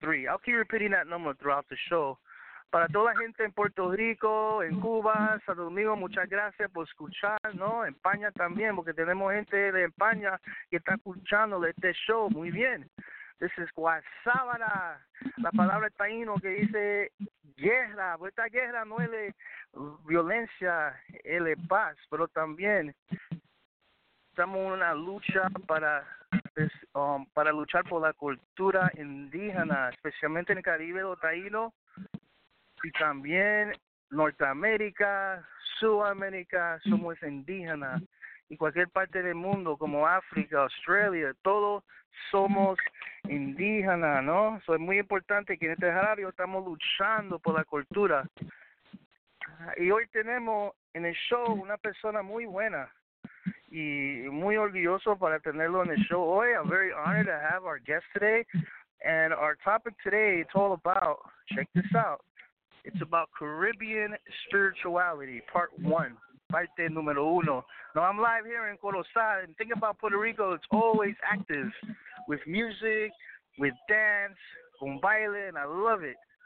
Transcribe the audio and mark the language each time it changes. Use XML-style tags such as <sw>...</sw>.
<en>I'll keep repeating that number throughout the show.</en> <es>Para toda la gente en Puerto Rico, en Cuba, Santo Domingo, muchas gracias por escuchar, ¿no? En España también, porque tenemos gente de España que está escuchando este show. Muy bien.</es> <en>This is Guasábara.</en> <es>La palabra taíno que dice guerra. Pues esta guerra no es violencia, es paz. Pero también estamos en una lucha para luchar por la cultura indígena, especialmente en el Caribe o taíno. Y también Norteamérica, Sudamérica, somos indígenas. Y cualquier parte del mundo, como África, Australia, todos somos indígenas, ¿no? So es muy importante que en este radio estamos luchando por la cultura. Y hoy tenemos en el show una persona muy buena. Y muy orgulloso para tenerlo en el show hoy.</es> <en>I'm very honored to have our guest today. And our topic today, it's all about, check this out. It's about Caribbean spirituality, part one,</en> <es>parte número uno.</es> <en>Now, I'm live here in Corozal, and think about Puerto Rico, it's always active with music, with dance,</en> <es>con baile,</es> <en>and I love it.</en>